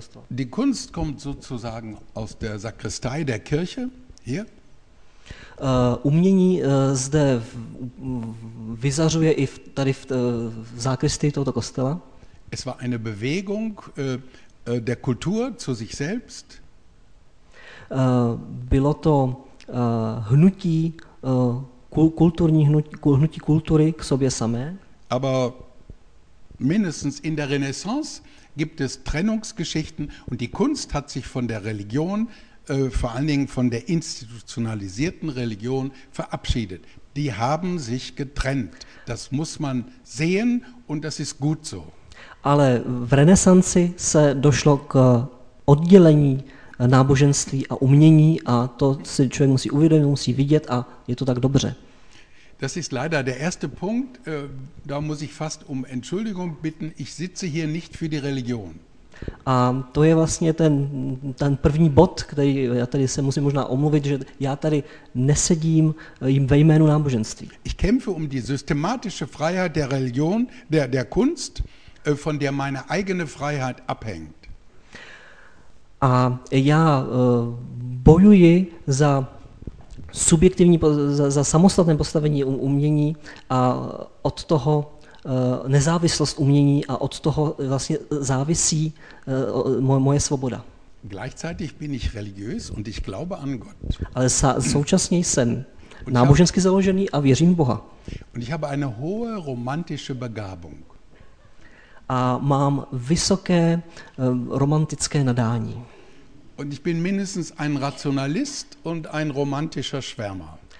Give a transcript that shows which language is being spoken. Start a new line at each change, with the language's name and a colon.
German: Die Kunst kommt sozusagen aus der Sakristei der Kirche, hier.
Czech: Umění zde vyzařuje i tady v zákristii tohoto kostela.
German: Es war eine Bewegung der Kultur zu sich selbst.
Czech: Bylo to hnutí kulturní hnutí kultury k sobě samé.
German: Aber mindestens in der Renaissance gibt es Trennungsgeschichten und die Kunst hat sich von der Religion, vor allen Dingen von der institutionalisierten Religion verabschiedet. Die haben sich getrennt. Das muss man sehen und das ist gut so.
Czech: Ale v renesanci se došlo k oddělení náboženství a umění a to si člověk musí uvědomit, musí vidět a je to tak dobře.
German: Das ist leider der erste Punkt, da muss ich fast um Entschuldigung bitten, ich sitze hier nicht für die Religion.
Czech: A to je vlastně ten první bod, který já tady se musím možná omluvit, že já tady nesedím jim ve jménu náboženství.
German: Ich kämpfe um die systematische Freiheit der Religion, der Kunst, von der meine eigene Freiheit abhängt.
Czech: A já bojuji za subjektivní, za samostatné postavení umění a od toho nezávislost umění a od toho vlastně závisí moje svoboda.
German: Gleichzeitig bin ich religiös und ich glaube an Gott.
Czech: Ale současně jsem nábožensky založený a věřím v Boha.
German: Und ich habe eine hohe romantische Begabung.
Czech: A mám vysoké romantické nadání.
German: Und ich bin mindestens ein Rationalist und ein romantischer Schwärmer.